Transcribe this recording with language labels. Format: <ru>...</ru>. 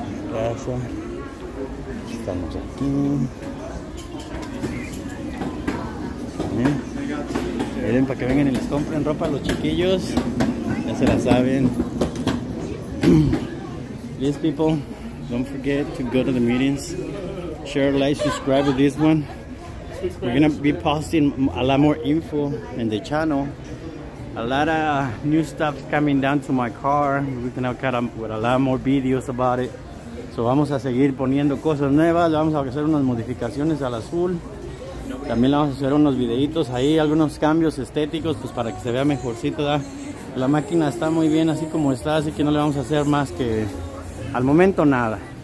<es>Casa, estamos aquí. Miren, para que vengan y les compren ropa a los chiquillos, ya se la saben.</es> <en>Please people, don't forget to go to the meetings, share, like, subscribe with this one. We're gonna be posting a lot more info in the channel. A lot of new stuff coming down to my car. We're gonna cut up with a lot more videos about it.</en> <es>So vamos a seguir poniendo cosas nuevas, vamos a hacer unas modificaciones al azul. También le vamos a hacer unos videitos ahí, algunos cambios estéticos, pues para que se vea mejorcito, ¿da? La máquina está muy bien así como está, así que no le vamos a hacer más que al momento nada.</es>